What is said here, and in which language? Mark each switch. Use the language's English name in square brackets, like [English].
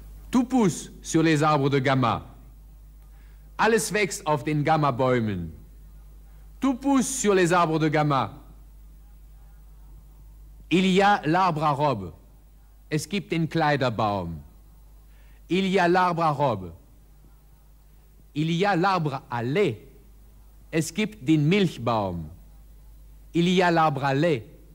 [French] Tout pousse sur les arbres de Gamma. [German] Alles wächst auf den Gamma-Bäumen. [French] Tout pousse sur les arbres de Gamma. Il y a l'arbre à robe. [German] Es gibt den Kleiderbaum. [French] Il y a l'arbre à robe. Il y a l'arbre à lait. [German] Es gibt den Milchbaum. [French] Il y a l'arbre à lait.